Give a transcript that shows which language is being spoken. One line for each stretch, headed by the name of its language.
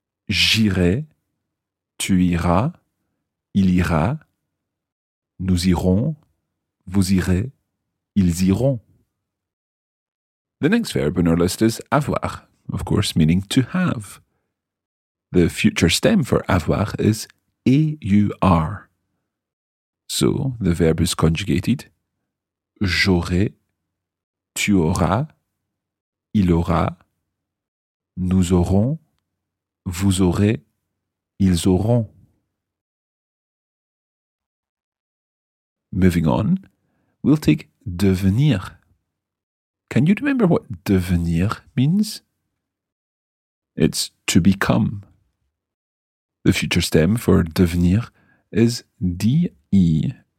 French: J'irai, tu iras, il ira, nous irons, vous irez, ils iront.
English: The next verb in our list is avoir, of course, meaning to have. The future stem for avoir is AUR. So the verb is conjugated.
French: J'aurai, tu auras, il aura, nous aurons, vous aurez, ils auront.
English: Moving on, we'll take devenir. Can you remember what devenir means? It's to become. The future stem for devenir is D-E-V-I-E-N-D-R.